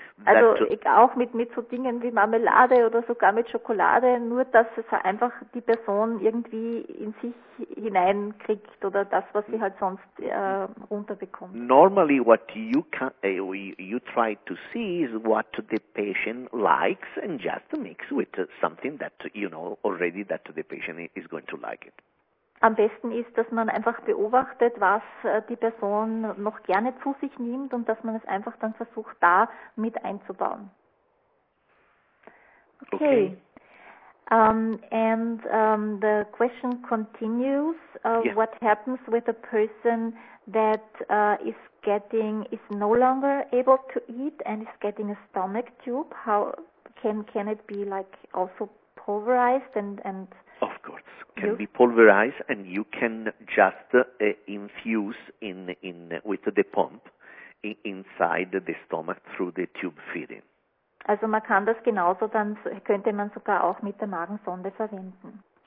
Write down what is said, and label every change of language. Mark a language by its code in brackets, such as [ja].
[de] Also auch mit so Dingen wie Marmelade oder sogar mit Schokolade, nur dass es einfach die Person irgendwie in sich hineinkriegt oder das, was sie halt sonst runterbekommt. [en] Normally what you can, you try to see is what the patient likes and just mix with something that you know already that the patient is going to like it. [de] Am besten ist, dass man einfach beobachtet, was die Person noch gerne zu sich nimmt und dass man es einfach dann versucht, da mit einzubauen. [en] Okay. The question continues. Yeah. What happens with a person that is no longer able to eat and is getting a stomach tube? How can it be like also pulverized and of course, can be pulverized, and you can just infuse in with the pump inside the stomach through the tube feeding. [de] Also man kann das genauso, dann könnte man sogar auch mit der Magensonde verwenden.